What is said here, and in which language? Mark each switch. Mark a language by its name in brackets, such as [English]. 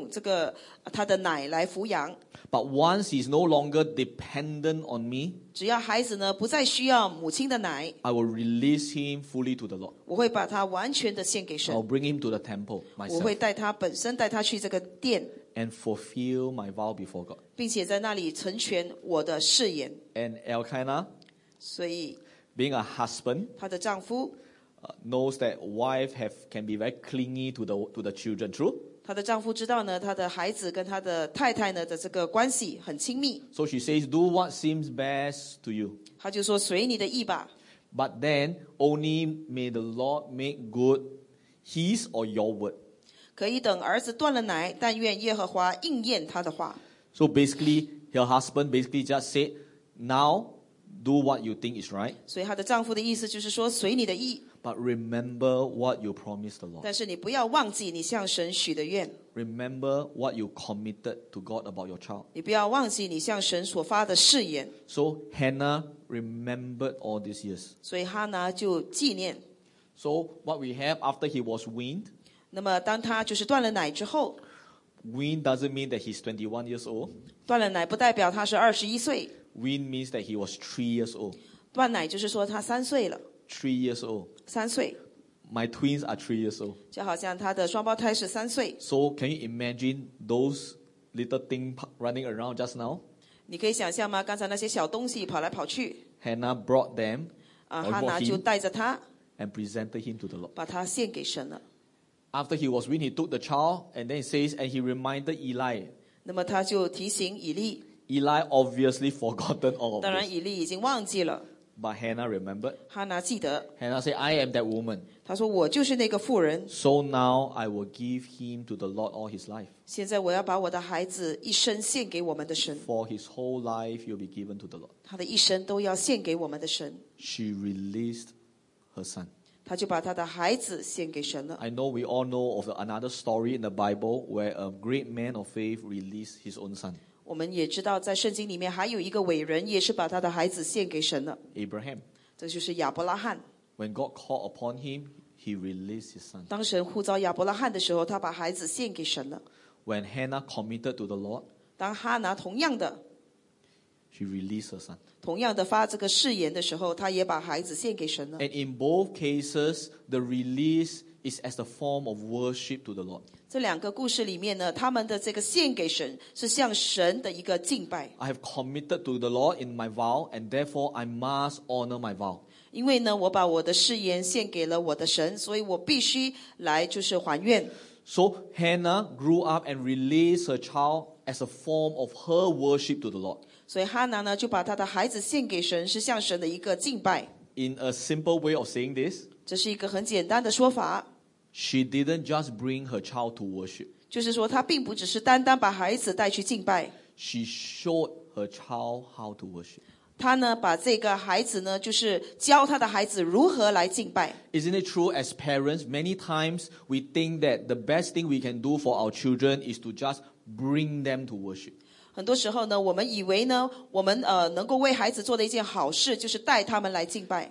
[Chinese] 他还是必须就是妈妈的用这个他的奶来抚养。 [English] But once he's no longer dependent on me, [Chinese] 只要孩子呢不再需要母亲的奶, [English] I will release him fully to the Lord. [Chinese] 我会把他完全的献给神。 [English] I'll bring him to the temple myself. [Chinese] 我会带他本身带他去这个殿, [English] and fulfill my vow before God. [Chinese] 并且在那里成全我的誓言。 [English] And Elkanah, [Chinese] 所以, [English] being a husband, [Chinese] 他的丈夫, [English] knows that wife can be very clingy to the children. True? [Chinese] 她的丈夫知道呢,她的孩子跟她的太太呢的这个关系很亲密。 [English] So she says, do what seems best to you. [Chinese] 她就说随你的意吧。 [English] But then, only may the Lord make good his or your word. [Chinese] 可以等儿子断了奶,但愿耶和华应验他的话。 [English] So basically, her husband basically just said, now, do what you think is right. [Chinese] 所以她的丈夫的意思就是说随你的意。 [English] But remember what you promised the Lord. [Chinese] 但是你不要忘记你向神许的愿。 [English] Remember what you committed to God about your child. [Chinese] 你不要忘记你向神所发的誓言。 [English] So Hannah remembered all these years. [Chinese] 所以哈拿就纪念。 [English] So what we have after he was weaned? [Chinese] 那么当他就是断了奶之后, [English] weaned doesn't mean that he's 21 years old. [Chinese] 断了奶不代表他是21岁。 [English] Weaned means that he was 3 years old. [Chinese] 断奶就是说他三岁了。 [English] 3 years old. [Chinese] 三岁, [English] my twins are 3 years old. [Chinese] 就好像他的双胞胎是三岁。 [English] So can you imagine those little things running around just now? [Chinese] 你可以想象吗? 刚才那些小东西跑来跑去。 [English] Hannah brought them, [Chinese] Hannah就带着他, [English] and presented him to the Lord. [Chinese] 把他献给神了。 [English] After he was weaned, he took the child, and then he says, and he reminded Eli, [Chinese] 那么他就提醒以利。 [English] Eli obviously forgotten all of this. [Chinese] 当然以利已经忘记了。 [English] But Hannah remembered. [Chinese] Hannah 记得。 [English] Hannah said, I am that woman. [Chinese] 她说我就是那个妇人。 [English] So now I will give him to the Lord all his life. [Chinese] 现在我要把我的孩子一生献给我们的神。 [English] For his whole life you'll be given to the Lord. [Chinese] 她的一生都要献给我们的神。 [English] She released her son. [Chinese] 他就把他的孩子献给神了。 [English] I know we all know of another story in the Bible where a great man of faith released his own son. [Chinese] 我们也知道在圣经里面还有一个伟人也是把他的孩子献给神了。 [English] Abraham. [Chinese] 这就是亚伯拉罕。 [English] When God called upon him, he released his son. [Chinese] 当神呼召亚伯拉罕的时候他把孩子献给神了。 [English] When Hannah committed to the Lord, [Chinese] 当哈拿同样的 [English] she released her son. [Chinese] 同样的发这个誓言的时候他也把孩子献给神了。 [English] And in both cases, the release is as a form of worship to the Lord. [Chinese] 这两个故事里面呢他们的这个献给神是向神的一个敬拜。 [English] I have committed to the Lord in my vow, and therefore I must honor my vow. [Chinese] 因为呢我把我的誓言献给了我的神所以我必须来就是还愿。 [English] So Hannah grew up and released her child as a form of her worship to the Lord. [Chinese] 所以哈拿呢就把他的孩子献给神是向神的一个敬拜。 [English] In a simple way of saying this, [Chinese] 这是一个很简单的说法。 [English] She didn't just bring her child to worship. [Chinese] 就是说她并不只是单单把孩子带去敬拜。 [English] She showed her child how to worship. [Chinese] 她呢把这个孩子呢就是教她的孩子如何来敬拜。 [English] Isn't it true as parents, many times we think that the best thing we can do for our children is to just bring them to worship. [Chinese] 很多时候呢我们以为呢我们能够为孩子做的一件好事就是带他们来敬拜。